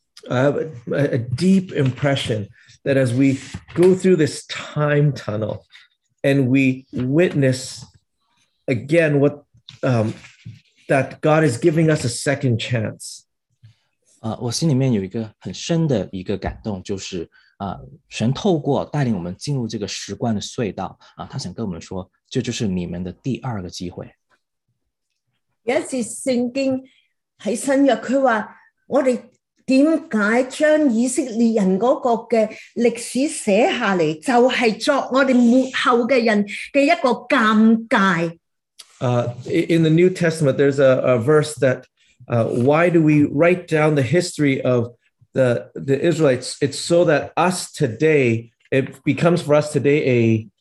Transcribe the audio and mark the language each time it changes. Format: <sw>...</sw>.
<en>A deep impression that as we go through this time tunnel and we witness again whatthat God is giving us a second chance.</en> <zh>我心里面有一个很深的一个感动，就是神透过带领我们进入这个时光的隧道，他想跟我们说，这就是你们的第二个机会。有一次圣经在新约，他说我们怎么将以色列人那个的历史写下来，就是作我们末后的人的一个尴尬。</zh> <en>In the New Testament, there's a verse that, why do we write down the history of the Israelites? It's so that us today, it becomes for us today</en>